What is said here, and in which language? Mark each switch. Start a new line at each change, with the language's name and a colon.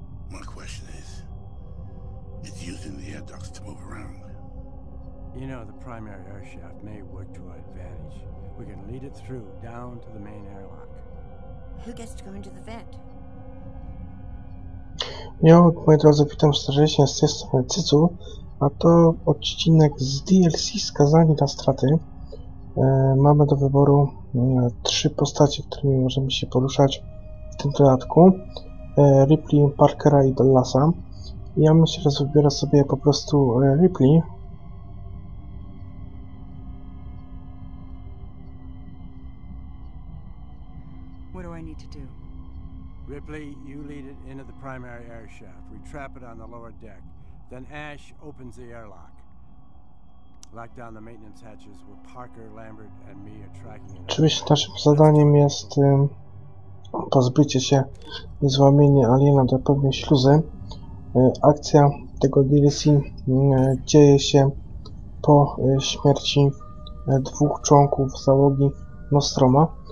English: My question is, it's using the air ducts to move around. You know, the primary air shaft may work to our advantage. We can lead it through, down to the main airlock. Who gets to go into the vent?
Polish: Jak, moi drodzy, witam serdecznie z tej strony Cycu, a to odcinek z DLC Skazani na straty. Mamy do wyboru trzy postacie, którymi możemy się poruszać w tym dodatku. Ripley, Parkera i Dallasa. Ja myślę, że wybiorę sobie po prostu Ripley.
English: What do I need to do? Ripley, you lead it into the primary air shaft. We trap it on the lower deck. Then Ash opens the airlock. Lock down the maintenance hatches where Parker, Lambert and me are tracking it.
Polish: Oczywiście naszym zadaniem jest pozbycie się i złamienie aliena do pewnej śluzy. Akcja tego DLC dzieje się po śmierci dwóch członków załogi Nostromo.